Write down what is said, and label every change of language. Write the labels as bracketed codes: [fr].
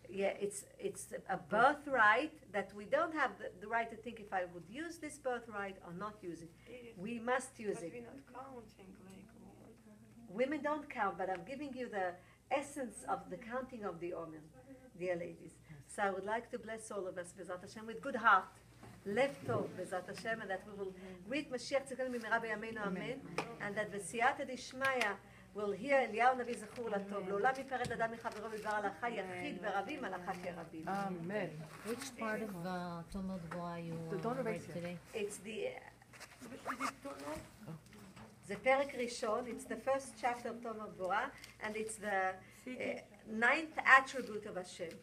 [en] Yeah, it's a birthright that we don't have the right to think if I would use this birthright or not use it. We must use it. But we're not counting like women don't count, but I'm giving you the essence of the counting of the omen, dear ladies. So I would like to bless all of us, Bezat Hashem, with good heart. [he] לב טוב, בעזרת השם, [en] and that we will greet [he] משיח צדקנו במהרה בימינו, אמן, [en] and that [he] בסייעתא דשמיא [en] will hear [he] אליהו נביא זכור לטוב, לעולם יפרד אדם מחברו בדבר הלכה יחיד ורבים הלכה כרבים. אמן. [en] Which part of the Talmud Dvorah you read today? It's the... [he] זה פרק ראשון, [en] it's the first chapter of Talmud Dvorah, and it's the ninth attribute of Hashem.